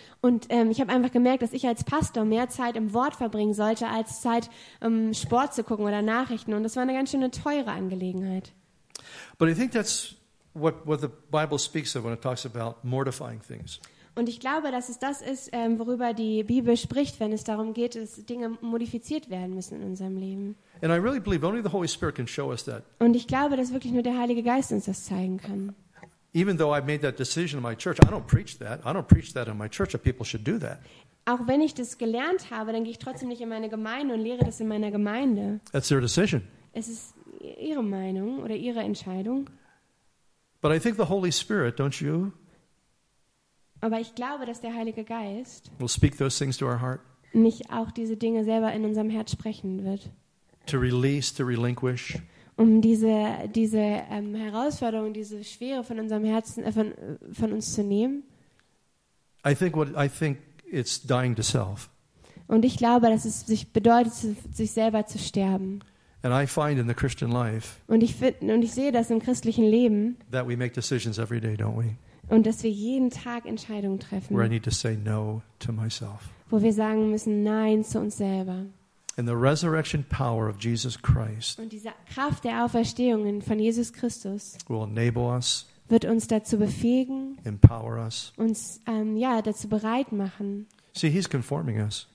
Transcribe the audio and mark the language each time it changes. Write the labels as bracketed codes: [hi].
[de] Und ich habe einfach gemerkt, dass ich als Pastor mehr Zeit im Wort verbringen sollte als Zeit Sport zu gucken oder Nachrichten, und das war eine ganz schöne teure Angelegenheit. [en] But I think that's what the Bible speaks of when it talks about mortifying things. [de] Und ich glaube, dass es das ist, worüber die Bibel spricht, wenn es darum geht, dass Dinge modifiziert werden müssen in unserem Leben. [en] And I really believe only the Holy Spirit can show us that. [de] Und ich glaube, dass wirklich nur der Heilige Geist uns das zeigen kann. [en] Even though I made that decision in my church, I don't preach that. I don't preach that in my church, that people should do that. [de] Auch wenn ich das gelernt habe, dann gehe ich trotzdem nicht in meine Gemeinde und lehre das in meiner Gemeinde. [en] That's their decision. [de] Es ist ihre Meinung oder ihre Entscheidung. [en] But I think the Holy Spirit, don't you? [de] Aber ich glaube, dass der Heilige Geist [en] will speak those things to our heart. [de] Nicht auch diese Dinge selber in unserem Herz sprechen wird. [en] To release, to relinquish. [de] Um diese Herausforderung, diese Schwere von unserem Herzen von uns zu nehmen. [en] I think it's dying to self. [de] Und ich glaube, dass es sich bedeutet, sich selber zu sterben. [en] And I find in the Christian life. [de] Und ich sehe das im christlichen Leben. [en] That we make decisions every day, don't we? [de] Und dass wir jeden Tag Entscheidungen treffen. [en] Where I need to say no to myself. [de] Wo wir sagen müssen Nein zu uns selber. [en] And the resurrection power of Jesus Christ. [de] Und diese Kraft der Auferstehung von Jesus Christus. [en] Will enable us. [de] wird uns dazu befähigen, [en] empower us. [de] Uns dazu bereit machen. [en] See, he's conforming us.